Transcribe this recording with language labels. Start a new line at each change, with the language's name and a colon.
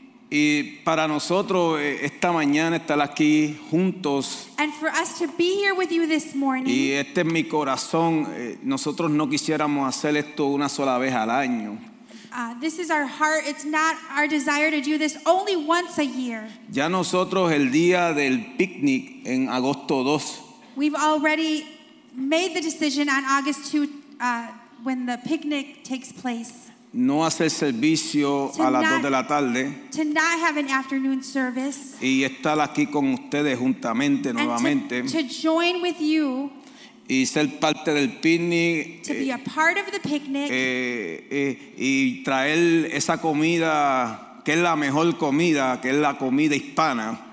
Spanish: Y para nosotros esta mañana estar aquí juntos.
English: And for us to be here with you this morning.
Spanish: Y este es mi corazón. Nosotros no quisiéramos hacer esto una sola vez al año.
English: This is our heart. It's not our desire to do this only once a year.
Spanish: Ya nosotros el día del picnic en agosto 2.
English: We've already made the decision on August 2 when the picnic takes place.
Spanish: No hacer servicio a las 2 de la tarde.
English: To not have an afternoon service.
Spanish: Y estar aquí con ustedes juntamente nuevamente.
English: And to join with you.
Spanish: Y ser parte del picnic.
English: To be a part of the picnic.
Spanish: Y traer esa comida, que es la mejor comida, que es la comida hispana.